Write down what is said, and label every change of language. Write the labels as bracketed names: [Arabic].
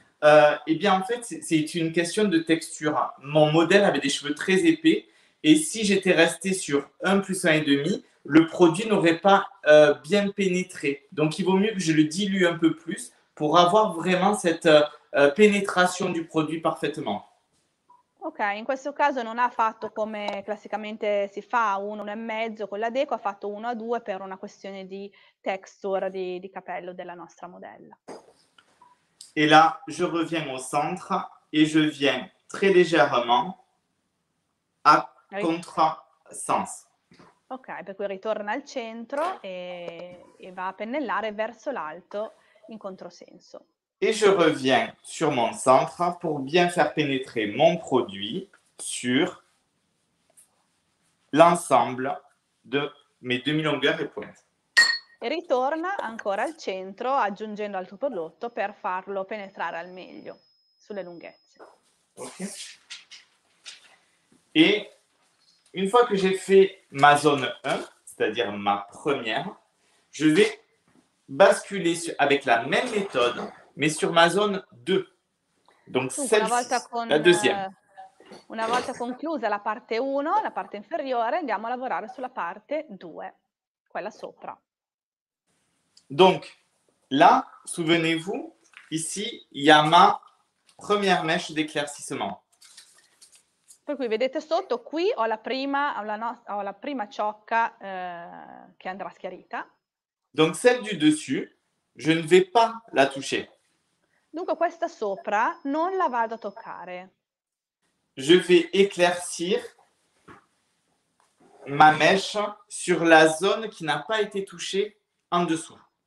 [French] Eh bien en fait c'est une question de texture. Mon modèle avait des cheveux très épais et si j'étais resté sur 1 plus 1 et demi, le produit n'aurait pas bien pénétré. Donc il vaut mieux que je le dilue un peu plus pour avoir vraiment cette pénétration du produit parfaitement. [Italian] Ok, in questo caso non ha fatto come classicamente si fa, uno e mezzo con la deco, ha fatto uno a due per una questione di texture di capello della nostra modella. [French] E là, je reviens au centre e je viens très légèrement à contre-sens. [Italian] Ok, per cui ritorna al centro e va a pennellare verso l'alto in controsenso. [French] Et je reviens sur mon centre pour bien faire pénétrer mon produit sur l'ensemble de mes demi-longueurs et pointes. [Italian] E ritorna ancora al centro aggiungendo al tuo prodotto per farlo penetrare al meglio sulle lunghezze. Ok. [French] Et une fois que j'ai fait ma zone 1, c'est-à-dire ma première, je vais basculer sur, avec la même méthode, mais sur ma zone 2. Donc celle-ci, la deuxième. [Italian] Una volta conclusa la parte 1, la parte inferiore, andiamo a lavorare sulla parte 2, quella sopra. [French] Donc là, souvenez-vous, ici, il y a ma première mèche d'éclaircissement. [Italian] Per cui vedete sotto, qui ho la prima, ho la prima ciocca che andrà schiarita. [French] Donc celle du dessus, je ne vais pas la toucher. [Italian] Dunque questa sopra non la vado a toccare. [French] Je vais éclaircir ma mèche sur la zone qui n'a pas été touchée en dessous.